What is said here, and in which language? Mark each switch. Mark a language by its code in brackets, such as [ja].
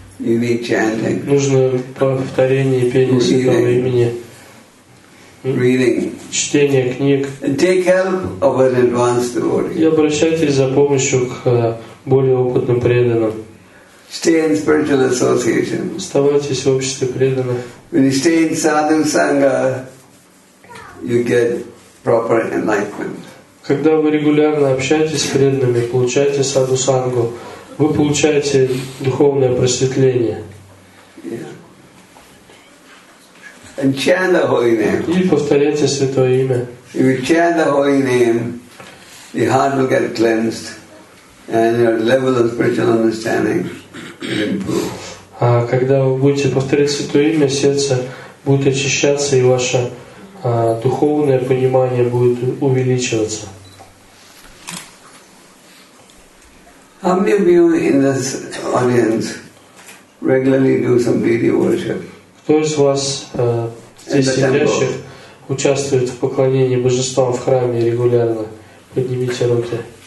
[ru] Нужно повторение и пение святого имени. [en] Reading. [ru] Чтение книг. [en] Take help of an advanced devotee. [ru] И обращайтесь за помощью к более опытным преданным. [en] Stay in spiritual association. [ru] Оставайтесь в обществе преданных. [en] When you stay in sadhu sangha, you get proper enlightenment. [ru] Когда вы регулярно общаетесь с преданными, получаете саду сангу, вы получаете духовное просветление. [en] And chant the holy name. [ru] И повторяйте святое имя. [en] If you chant the holy name, your heart will get cleansed, and your level of spiritual understanding will improve. [ru] А когда вы будете повторять святое имя, сердце будет очищаться, и ваше духовное понимание будет увеличиваться. [en] How many of you in this audience regularly do some deity worship? [ru] Кто из вас здесь сидящих участвует в поклонении божествам в храме регулярно? Поднимите руки.